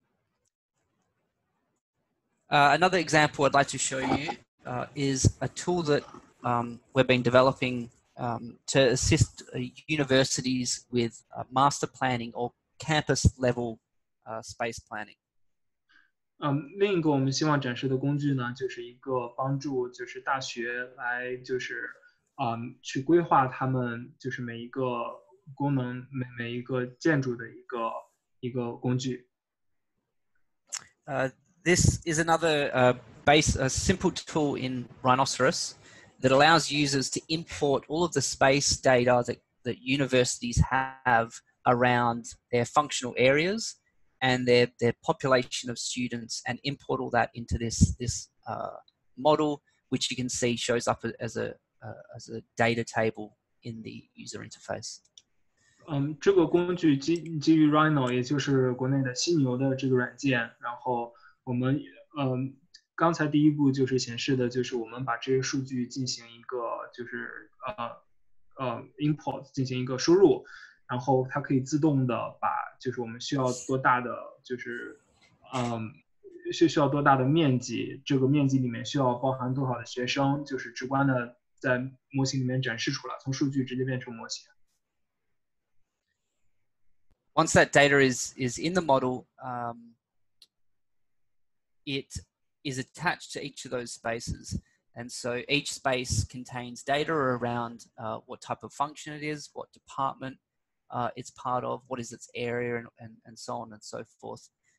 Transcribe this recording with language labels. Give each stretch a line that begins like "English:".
Chinese: 我们这个不仅仅是一个2D的一个平面图，我们也可以把它变成一个立体的图，就是立体的展示，然后通过一些数据来直观的告诉就是我们的用户，它可能需要多少层，怎么来做。
English: Another example I'd like to show you is a tool that we've been developing to assist universities with master planning or campus level space planning.
Chinese: 另一个我们希望展示的工具呢，就是一个帮助就是大学来就是去规划他们就是每一个功能每一个建筑的一个一个工具.
English: This is another simple tool in Rhinoceros that allows users to import all of the space data that universities have around their functional areas and their population of students and import all that into this model, which you can see shows up as a data table in the user interface.
Chinese: 这个工具基于 Rhino, 也就是国内的犀牛的这个软件，然后我们刚才第一步就是显示的就是我们把这些数据进行一个import，进行一个输入，然后它可以自动的把就是我们需要多大的面积，这个面积里面需要包含多少的学生，就是直观的在模型里面展示出来，从数据直接变成模型。
English: Once that data is in the model, it is attached to each of those spaces. And so each space contains data around what type of function it is, what department it's part of, what is its area, and so on and so forth.